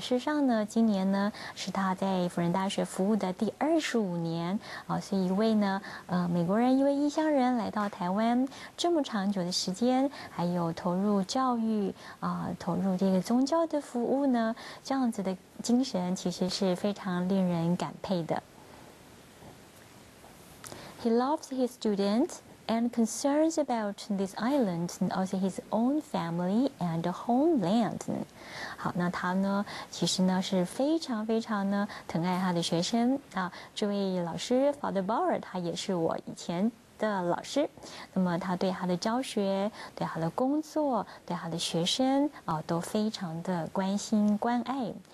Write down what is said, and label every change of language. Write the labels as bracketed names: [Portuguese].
[Chinese] 事实上呢，今年呢是他在辅仁大学服务的第25年啊，所以一位呢美国人，一位异乡人来到台湾这么长久的时间，还有投入教育啊，投入这个宗教的服务呢，这样子的精神其实是非常令人感佩的。 [English] He loves his students and concerns about this island and also his own family and homeland. [Chinese] 好，那他呢，其实呢是非常非常呢疼爱他的学生啊。这位老师 Father Bauer 他也是我以前的老师，那么他对他的教学、对他的工作、对他的学生啊都非常的关心关爱。